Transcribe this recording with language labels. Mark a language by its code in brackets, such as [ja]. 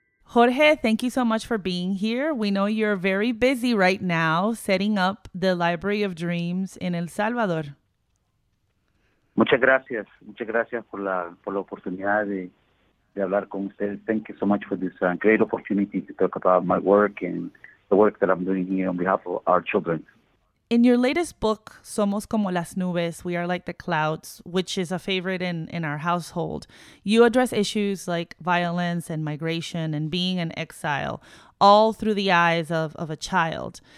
[en] Jorge, thank you so much for being here. We know you're very busy right now setting up the Library of Dreams in El Salvador. [es] Muchas gracias. Muchas gracias por la oportunidad de hablar con ustedes. [en] Thank you so much for this great opportunity to talk about my work and the work that I'm doing here on behalf of our children. In your latest book, Somos Como Las Nubes, We Are Like the Clouds, which is a favorite in our household, you address issues like violence and migration and being an exile, all through the eyes of a child.